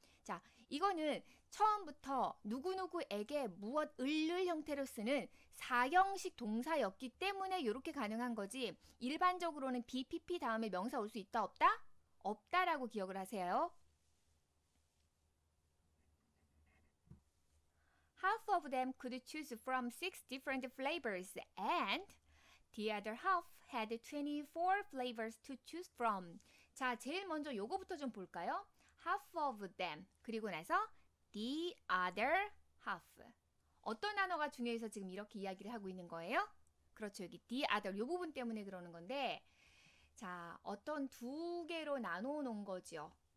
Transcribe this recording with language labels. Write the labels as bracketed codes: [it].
[ko] 자, 이거는 처음부터 누구누구에게 무엇을 형태로 쓰는 사형식 동사였기 때문에 이렇게 가능한 거지 일반적으로는 BPP 다음에 명사 올 수 있다 없다? 없다라고 기억을 하세요. [en] Half of them could choose from 6 different flavors and the other half had 24 flavors to choose from. [ko] 자, 제일 먼저 요거부터 좀 볼까요? [en] Half of them. [ko] 그리고 나서 [en] the other half. [ko] 어떤 단어가 중요해서 지금 이렇게 이야기를 하고 있는 거예요? 그렇죠. 여기 [en] the other [ko] 요 부분 때문에 그러는 건데 자, 어떤 두 개로 나눠 놓은 거죠.